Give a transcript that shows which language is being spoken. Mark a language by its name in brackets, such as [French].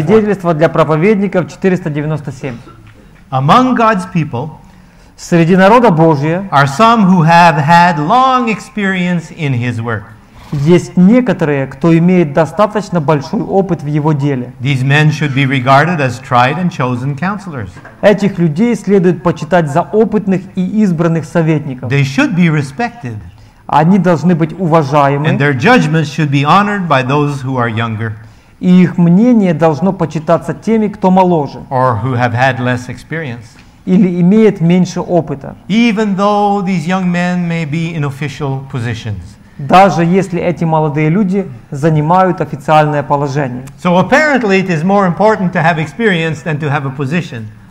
[Russian] Свидетельство для проповедников 497. [English] Among God's people, [Russian] среди народа Божия, [English] are some who have had long experience in His work. [Russian] Есть некоторые, кто имеет достаточно большой опыт в его деле. [English] These men should be regarded as tried and chosen counselors. [Russian] Этих людей следует почитать за опытных и избранных советников. [English] They should be respected. [Russian] Они должны быть уважаемы. [English] And their judgments should be honored by those who are younger. [Russian] И их мнение должно почитаться теми, кто моложе. [English] Or who have had less experience. [Russian] Или имеет меньше опыта. [English] Even though these young men may be in official positions. [Russian] Даже если эти молодые люди занимают официальное положение. [English] So apparently it is more important to have experience than to have a position.